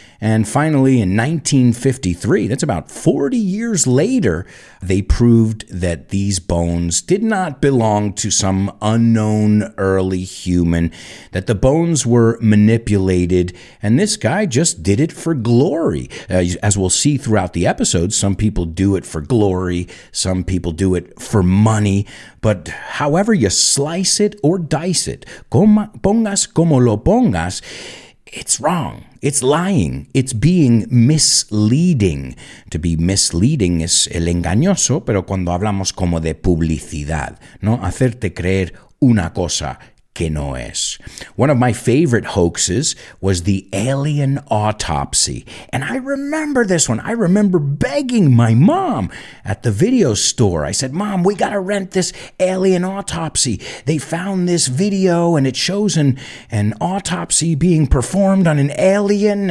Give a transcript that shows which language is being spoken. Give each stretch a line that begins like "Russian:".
English: And finally, in 1953, that's about 40 years later, they proved that these bones did not belong to some unknown early human, that the bones were manipulated, and this guy just did it for glory. As we'll see throughout the episode, some people do it for glory, some people do it for money, but however you slice it or dice it, pongas como lo pongas, it's wrong. It's lying. It's being misleading.
Spanish: To be misleading es el engañoso, pero cuando hablamos como de publicidad, ¿no? Hacerte creer una cosa que no es.
English: One of my favorite hoaxes was the alien autopsy. And I remember this one. I remember begging my mom at the video store. I said, Mom, we gotta rent this alien autopsy. They found this video and it shows an autopsy being performed on an alien.